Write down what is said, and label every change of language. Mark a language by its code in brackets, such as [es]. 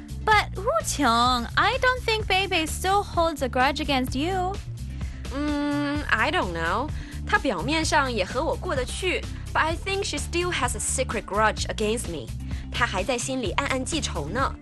[en] But Wu Qiong, I don't think Bebe still holds a grudge against you. I don't know. [zh] 她表面上也和我过得去。 [en] But I think she still has a secret grudge against me. [zh] 她还在心里暗暗记仇呢。